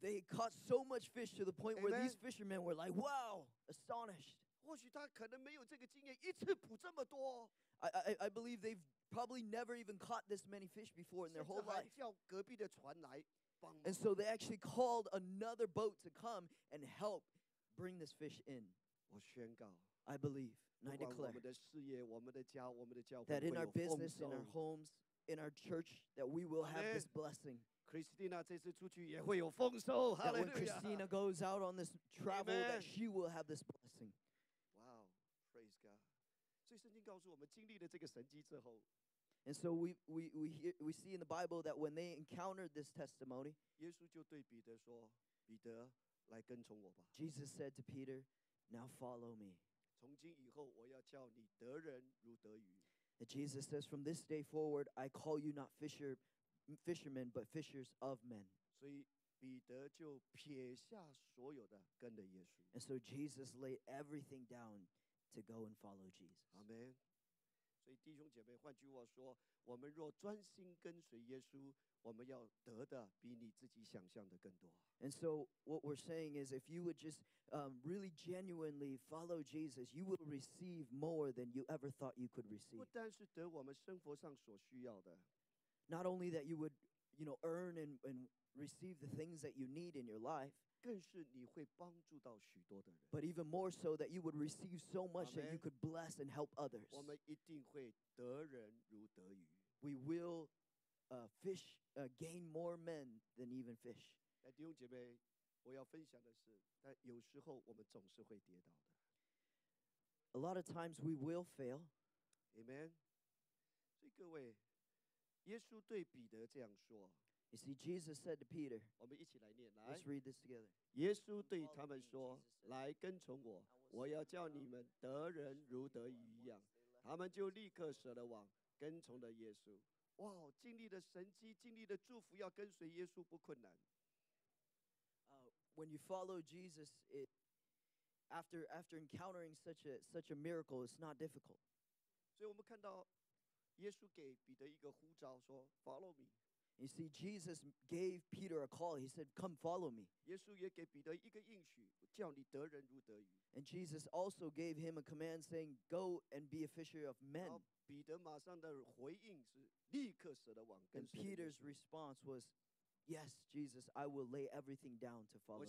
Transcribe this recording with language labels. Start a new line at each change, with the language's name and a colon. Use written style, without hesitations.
English: They caught so much fish to the point where these fishermen were like, "Wow, astonished."
Chinese: 或许他可能没有这个经验，一次捕这么多。
English: I believe they've probably never even caught this many fish before in their whole life.
Chinese: 甚至还叫隔壁的船来帮。
English: And so they actually called another boat to come and help bring this fish in.
Chinese: 我宣告。
English: I believe, and I declare,
Chinese: 我们的事业，我们的家，我们的教会
English: ，that in our business, in our homes. In our church, that we will have this blessing.
Chinese: Christina, 这次出去也会有丰收。
English: That when Christina goes out on this travel, that she will have this blessing. Wow, praise God.
Chinese: 所以圣经告诉我们，经历了这个神迹之后。
English: And so we see in the Bible that when they encountered this testimony,
Chinese: 耶稣就对彼得说，彼得，来跟从我吧。
English: Jesus said to Peter, now follow me.
Chinese: 从今以后，我要叫你得人如得鱼。
English: And Jesus says, from this day forward, I call you not fishermen, but fishers of men.
Chinese: 所以彼得就撇下所有的跟着耶稣。
English: And so Jesus laid everything down to go and follow Jesus. Amen.
Chinese: 所以弟兄姐妹，换句话说，我们若专心跟随耶稣，我们要得的比你自己想象的更多。
English: And so what we're saying is, if you would just really genuinely follow Jesus, you will receive more than you ever thought you could receive.
Chinese: 不但是得我们生活上所需要的。
English: Not only that you would, you know, earn and receive the things that you need in your life,
Chinese: 更是你会帮助到许多的人。
English: But even more so that you would receive so much that you could bless and help others.
Chinese: 我们一定会得人如得鱼。
English: We will fish, gain more men than even fish.
Chinese: 弟兄姐妹，我要分享的是，但有时候我们总是会跌倒的。
English: A lot of times we will fail. Amen.
Chinese: 各位，耶稣对彼得这样说。
English: You see, Jesus said to Peter,
Chinese: 我们一起来念，来。
English: Let's read this together.
Chinese: 耶稣对他们说，来跟从我，我要叫你们得人如得鱼一样。他们就立刻舍了网，跟从了耶稣。哇，经历的神迹，经历的祝福，要跟随耶稣不困难。
English: When you follow Jesus, after encountering such a miracle, it's not difficult.
Chinese: 所以我们看到耶稣给彼得一个呼召，说
English: "Follow me." You see, Jesus gave Peter a call. He said, "Come, follow me."
Chinese: 耶稣也给彼得一个应许，叫你得人如得鱼。
English: And Jesus also gave him a command, saying, "Go and be a fisher of men."
Chinese: 彼得马上的回应是立刻舍了网。
English: And Peter's response was, "Yes, Jesus, I will lay everything down to follow you."